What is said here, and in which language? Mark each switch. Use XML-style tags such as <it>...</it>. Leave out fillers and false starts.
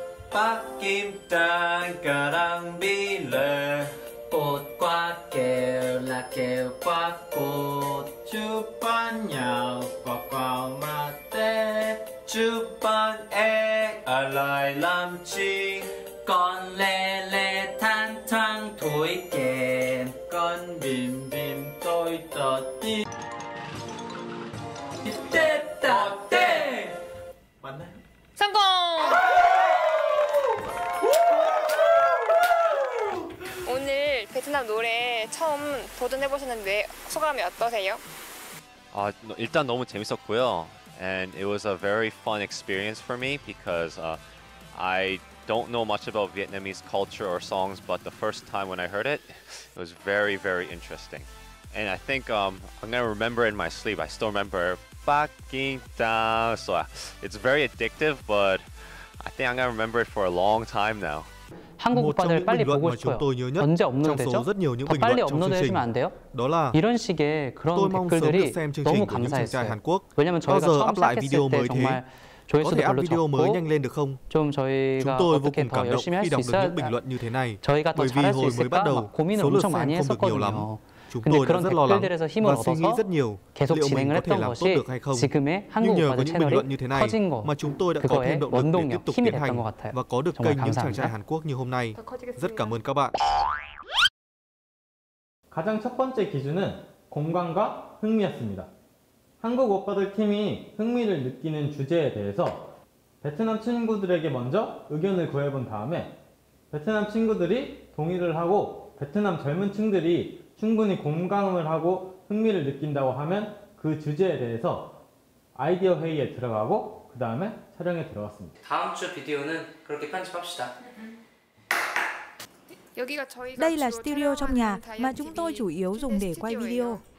<ko>빠김 땅가랑 빌레 꽃과 깨라 깨와 꽃 주반야우 꽉꽉마떼 주반에 알라이람치 건레레 탄탕 토이게 건빔빔 토이떠띠 이때따떼 맞나요? 성공! 베트남 노래 처음 도전해보셨는데 소감이 어떠세요? 일단 너무 재밌었고요.</ko> <en>And it was a very fun experience for me because I don't know much about Vietnamese culture or songs, but the first time when I heard it, it was very, very interesting. And I think I'm going to remember in my sleep. I still remember Baking Down. So it's very addictive, but I think I'm going to remember it for a long time now.</en> <ko>한국 오빠들 빨리 보고 싶어요. 언제 업로드되죠? 더 빨리 업로드해주면 안 돼요? 이런 식의 그런 댓글들이 너무 감사했어요. 왜냐면 저희가 처음 시작했을 때 정말 조회수도 별로 적고 좀 저희가 어떻게 더 열심히 할 수 있어야 저희가 더 잘할 수 있을까 막 고민을 엄청 많이 했었거든요.</ko> <vi>Chúng tôi đã rất lo lắng và suy nghĩ rất nhiều liệu mình có thể làm tốt được hay không. Nhưng nhờ có những bình luận như thế này mà chúng tôi đã có thêm động lực để tiếp tục tiến hành và có được kênh những chàng trai Hàn Quốc như hôm nay. Rất cảm ơn các bạn.</vi> <ko>가장 첫 번째 기준은 공간과 흥미였습니다. 한국 오빠들 팀이 흥미를 느끼는 주제에 대해서 베트남 친구들에게 먼저 의견을 구해본 다음에 베트남 친구들이 동의를 하고 베트남 젊은 층들이 충분히 공감을 하고 흥미를 느낀다고 하면 그 주제에 대해서 아이디어 회의에 들어가고 그 다음에 촬영에 들어갔습니다. 다음 주 비디오는 그렇게 편집합시다.</ko> <vi>Đây là studio trong nhà mà chúng tôi chủ yếu dùng để quay video.</vi>